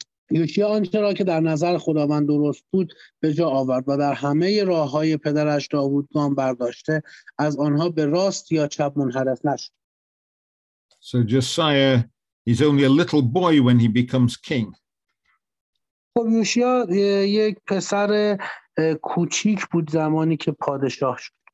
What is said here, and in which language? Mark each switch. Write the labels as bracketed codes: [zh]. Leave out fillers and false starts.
[fa] یوشیا آنچه را که در نظر خداوند درست بود به جا آورد و در همه راه‌های پدرش داوود گام برداشته، از آنها به راست یا چپ منحرف نشد. [en] So Josiah is only a little boy when he becomes king. [fa] خب یوشیا یک پسر کوچیک بود زمانی که پادشاه شد.